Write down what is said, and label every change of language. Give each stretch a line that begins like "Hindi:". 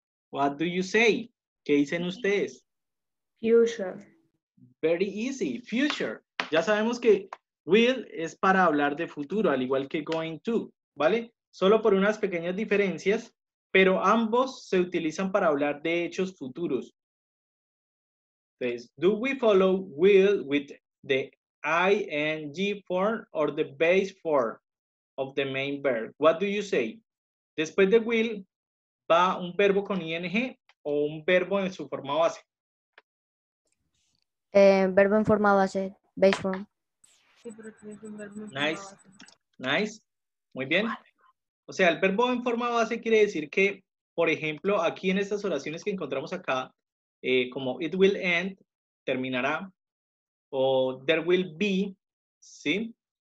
English: What do you say?
Spanish: ¿Qué dicen ustedes?
English: Future. Very easy. Future.
Spanish: Ya sabemos que will es para hablar de futuro, al igual que going to, ¿vale? Solo por unas pequeñas diferencias, pero ambos se utilizan para hablar de hechos futuros.
English: Entonces, do we follow will with the ing form or the base form of the main verb? What do you say?
Spanish: Después de will, ¿va un verbo con ing o un verbo en su forma base? Verbo en forma base,
English: base form.
Spanish: Sí, pero tienes un verbo en
English: nice,
Spanish: forma base.
English: Nice,
Spanish: muy bien. O sea, el verbo en forma base quiere decir que, por ejemplo, aquí en estas oraciones que encontramos acá, como
English: it will end,
Spanish: terminará, o
English: there will be,
Spanish: ¿sí?